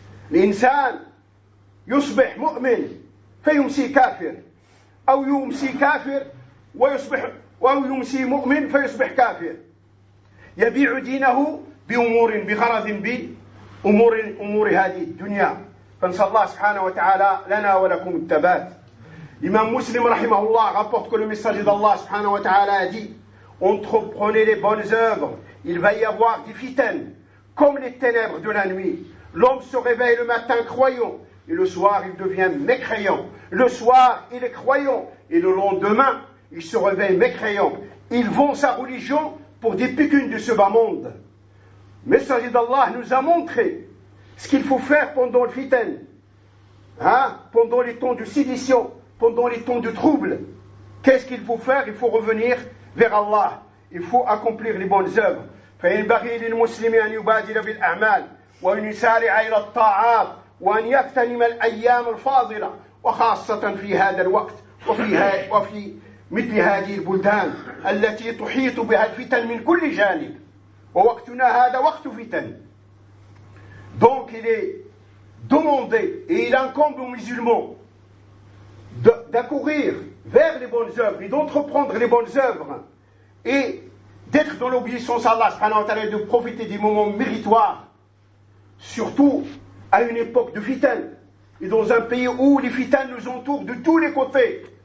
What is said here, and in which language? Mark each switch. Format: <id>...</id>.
<ar>الإنسان يصبح مؤمن فيمسي كافر أو يمسي كافر ويصبح أو يمسي مؤمن فيصبح كافر يبيع دينه بأمور بغرض بأمور أمور هذه الدنيا. فنسأل الله سبحانه وتعالى لنا ولكم التبات. إمام مسلم رحمه الله</ar> <fr>rapporte que le message d'Allah</fr> <ar>سبحانه وتعالى</ar> <fr>a dit entreprenez les bonnes œuvres, il va y avoir des fitaines comme les ténèbres de la nuit. L'homme se réveille le matin croyant et le soir il devient mécréant. Le soir il est croyant et le lendemain il se réveille mécréant. Il vend sa religion pour des pécunes de ce bas monde. Le message d'Allah nous a montré ce qu'il faut faire pendant le fitan, hein, pendant les temps de sédition, pendant les temps de trouble. Qu'est-ce qu'il faut faire? Il faut revenir vers Allah. Il faut accomplir les bonnes œuvres.</fr> <ar>فَإِنْ بَغِيْلِ الْمُسْلِمِ أَنْ يُبَادِلَ بِالْأَعْمَالِ وَأَنْ يُسَارِعَ إِلَى الطَّاعَاتِ وأن يغتنم الأيام الفاضلة وخاصة في هذا الوقت وفي مثل هذه البلدان التي تحيط بها الفتن من كل جانب. ووقتنا هذا وقت فتن.</ar> <fr>Donc il est demandé et il incombe aux musulmans d'accourir vers les bonnes œuvres et d'entreprendre les bonnes œuvres et d'être dans l'obéissance à Allah subhanahu wa ta'ala, de profiter des moments méritoires, surtout à une époque de fitan et dans un pays où les fitan nous entourent de tous les côtés.</fr>